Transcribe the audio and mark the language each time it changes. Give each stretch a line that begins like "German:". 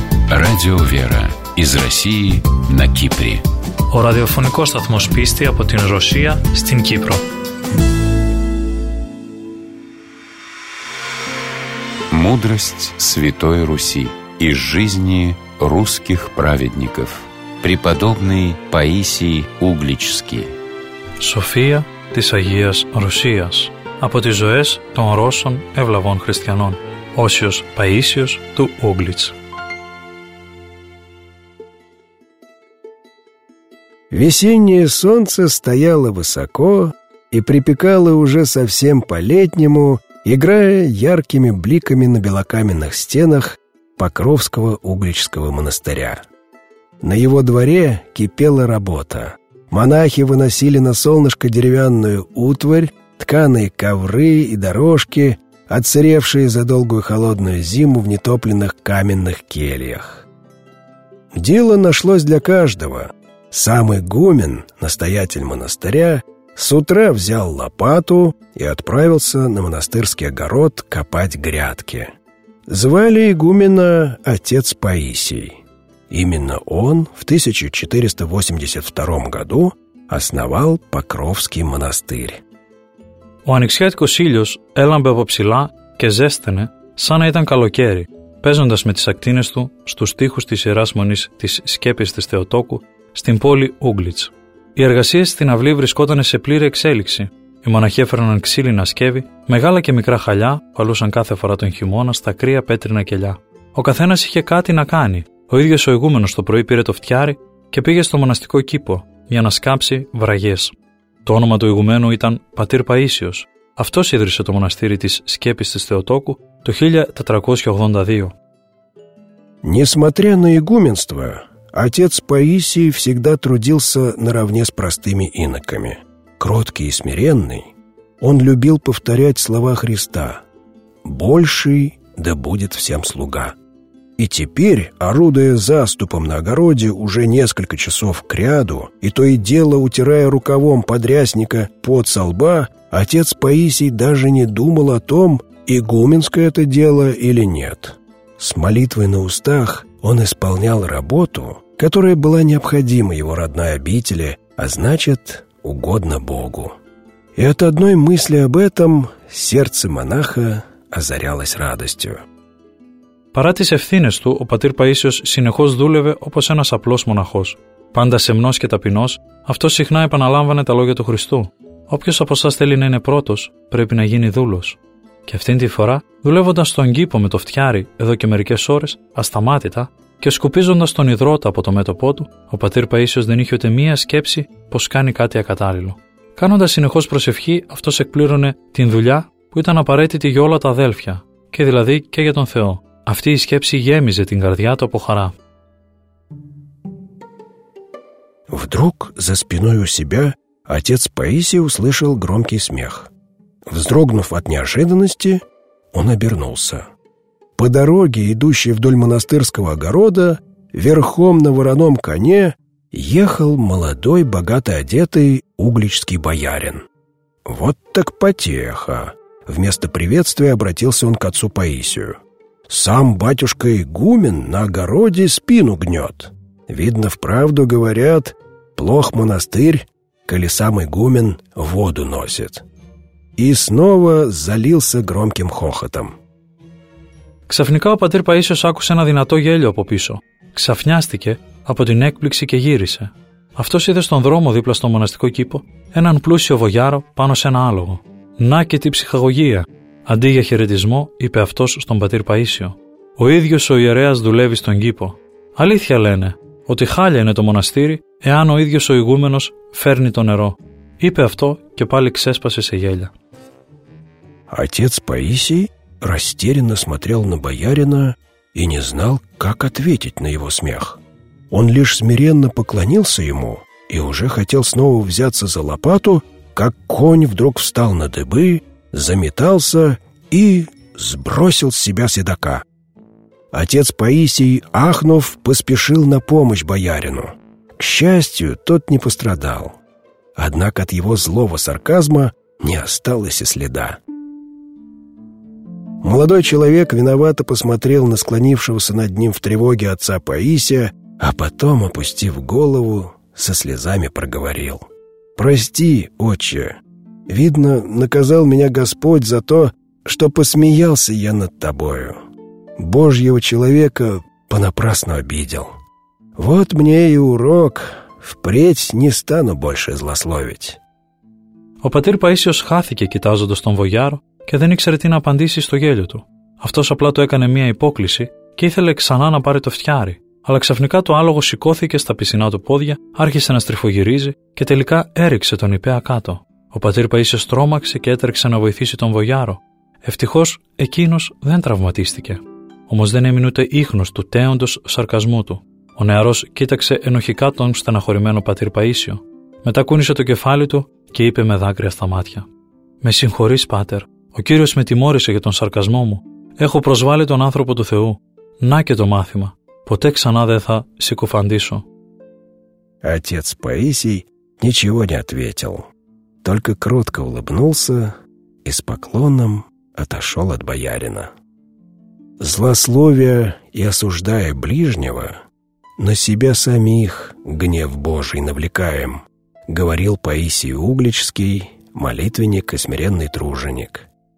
Russian: Радио Вера из России на Кипре.
Greek: Ο ραδιοφωνικός σταθμός πίστη από την Ρωσία στην Κύπρο.
Russian: Мудрость Святой Руси из жизни русских праведников. Преподобный Паисий Угличский.
Greek: Σοφία της Αγίας Ρωσίας από τις ζωές των Ρώσων ευλαβών χριστιανών. Όσιος Παΐσιος του Ούγκλιτς.
Russian: Весеннее солнце стояло высоко и припекало уже совсем по-летнему, играя яркими бликами на белокаменных стенах Покровского Угличского монастыря. На его дворе кипела работа. Монахи выносили на солнышко деревянную утварь, тканые ковры и дорожки, отсыревшие за долгую холодную зиму в нетопленных каменных кельях. Дело нашлось для каждого. Самый игумен, настоятель монастыря, с утра взял лопату и отправился на монастырский огород копать грядки. Звали игумена отец Паисий. Именно он в 1482 году основал Покровский монастырь.
Greek: Ο ανοιξιάτικος ήλιος έλαμπε από ψηλά και ζέστανε σαν να ήταν καλοκαίρι, παίζοντας με τις ακτίνες του στους τοίχους της Ιεράς Μονής της Σκέπης της Θεοτόκου στην πόλη Ούγκλιτς. Οι εργασίες στην αυλή βρισκόταν σε πλήρη εξέλιξη. Οι μοναχοί έφερναν ξύλινα σκεύη, μεγάλα και μικρά χαλιά, παλούσαν κάθε φορά τον χειμώνα στα κρύα πέτρινα κελιά. Ο καθένας είχε κάτι να κάνει. Ο ίδιος ο ηγούμενος το πρωί πήρε το φτιάρι και πήγε στο μοναστικό κήπο για να σκάψει βραγιές. Το όνομα του ηγουμένου ήταν Πατήρ Παΐσιος. Αυτός ίδρυσε το μοναστήρι της Σκέπης της Θεοτόκου το 1482.
Russian: Несмотря на игуменство, отец Паисий всегда трудился наравне с простыми иноками. Кроткий и смиренный, он любил повторять слова Христа: «Больший да будет всем слуга». И теперь, орудуя заступом на огороде уже несколько часов кряду, и то и дело утирая рукавом подрясника пот со лба, отец Паисий даже не думал о том, игуменское это дело или нет. С молитвой на устах он исполнял работу, которая была необходима его родной обители, а значит, угодно Богу. И от одной мысли об этом сердце монаха озарялось радостью.
Greek: Παρά τις ευθύνες του, ο πατήρ Παΐσιος συνεχώς δούλευε όπως ένας απλός μοναχός. Πάντα σεμνός και ταπεινός, αυτός συχνά επαναλάμβανε τα λόγια του Χριστού: «Όποιος από εσάς θέλει να είναι πρώτος, πρέπει να γίνει δούλος». Και αυτήν τη φορά, δουλεύοντας στον κήπο με το φτιάρι εδώ και μερικές ώρες, ασταμάτητα, και σκουπίζοντας τον υδρότα από το μέτωπό του, ο πατήρ Παΐσιος δεν είχε ούτε μία σκέψη πως κάνει κάτι ακατάλληλο. Κάνοντας συνεχώς προσευχή, αυτός εκπλήρωνε την δουλειά που ήταν απαραίτητη για όλα τα αδέλφια, και δηλαδή και για τον Θεό. Αυτή η σκέψη γέμιζε την καρδιά του από χαρά.
Russian: Вдруг за спиной у себя отец Паисий услышал громкий смех. Вздрогнув от неожиданности, он обернулся. По дороге, идущей вдоль монастырского огорода, верхом на вороном коне ехал молодой, богато одетый угличский боярин. Вот так потеха! Вместо приветствия обратился он к отцу Паисию. «Сам батюшка игумен на огороде спину гнет. Видно, вправду говорят, плох монастырь, коли сам игумен воду носит». И снова залился громким хохотом.
Greek: Ξαφνικά ο πατήρ Παΐσιος άκουσε ένα δυνατό γέλιο από πίσω. Ξαφνιάστηκε από την έκπληξη και γύρισε. Αυτός είδε στον δρόμο δίπλα στο μοναστικό κήπο έναν πλούσιο βογιάρο πάνω σε ένα άλογο. «Να και την ψυχαγωγία». Αντί για χαιρετισμό, είπε αυτός στον πατήρ Παΐσιο: «Ο ίδιος ο ιερέας δουλεύει στον κήπο. Αλήθεια λένε ότι χάλια είναι το μοναστήρι εάν ο ίδιος ο ηγούμενος φέρνει το νερό». Είπε αυτό και πάλι ξέσπασε σε γέλια.
Russian: Отец Паисий растерянно смотрел на боярина и не знал, как ответить на его смех. Он лишь смиренно поклонился ему и уже хотел снова взяться за лопату, как конь вдруг встал на дыбы, заметался и сбросил с себя седока. Отец Паисий, ахнув, поспешил на помощь боярину. К счастью, тот не пострадал. Однако от его злого сарказма не осталось и следа. Молодой человек виновато посмотрел на склонившегося над ним в тревоге отца Паисия, а потом, опустив голову, со слезами проговорил: «Прости, отче, видно, наказал меня Господь за то, что посмеялся я над тобою. Божьего человека понапрасну обидел. Вот мне и урок, впредь не стану больше злословить».
Greek: Ο πατήρ Παΐσιος χάθηκε κοιτάζοντας τον βογιάρο και δεν ήξερε τι να απαντήσει στο γέλιο του. Αυτός απλά του έκανε μία υπόκληση και ήθελε ξανά να πάρει το φτιάρι. Αλλά ξαφνικά το άλογο σηκώθηκε στα πισινά του πόδια, άρχισε να στριφογυρίζει και τελικά έριξε τον Ιππέα κάτω. Ο πατήρ Παΐσιος τρόμαξε και έτρεξε να βοηθήσει τον βογιάρο. Ευτυχώς εκείνος δεν τραυματίστηκε. Όμως δεν έμεινε ούτε ίχνος του τέοντος σαρκασμού του. Ο νεαρός κοίταξε ενοχικά τον στεναχωρημένο πατήρ Παΐσιο. Μετά κούνησε το κεφάλι του και είπε με δάκρυα στα μάτια: «Με συγχωρείς, πάτερ. Ο Κύριος με τιμώρησε για τον σαρκασμό μου. Έχω προσβάλει τον άνθρωπο του Θεού. Να και το μάθημα. Ποτέ ξανά δεν θα συκουφαντήσω».
Russian: Отец Паисий ничего не ответил, только кротко улыбнулся и с поклоном отошел от боярина. Злословия и осуждая ближнего, на себя самих гнев Божий навлекаем, говорил Паисий Угличский, молитвенник и смиренный труженик.